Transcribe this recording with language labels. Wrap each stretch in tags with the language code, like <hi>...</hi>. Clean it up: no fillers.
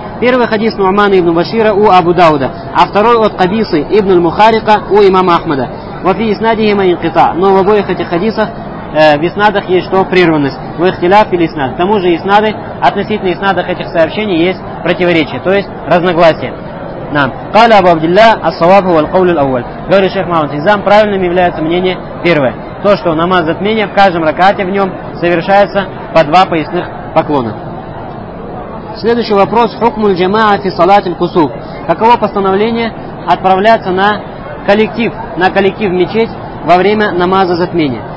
<ru>Первый хадис Нуамана ибн Башира у Абу Дауда, а второй от Кабисы ибн Мухарика у имама Ахмада.</ru> <ar>وفي إسنادهما انقطاع.</ar> <ru>Но в обоих этих хадисах в иснадах есть что? Прерванность. В ихтиляф или иснад. К тому же иснады, относительно иснадах этих сообщений есть противоречие, то есть разногласия. Нам.</ru> <ar>قال أبو عبد الله الصواب هو القول الأول.</ar> <ru>Говорит шейх Мухаммад Хизам, правильным является мнение первое. То, что намаз затмения в каждом ракате в нем совершается по два поясных поклона. Следующий вопрос.</ru> <ar>Хукмуль джамаа фи салати аль-кусуф.</ar> <ru>Каково постановление отправляться на коллектив в мечеть во время намаза затмения?</ru>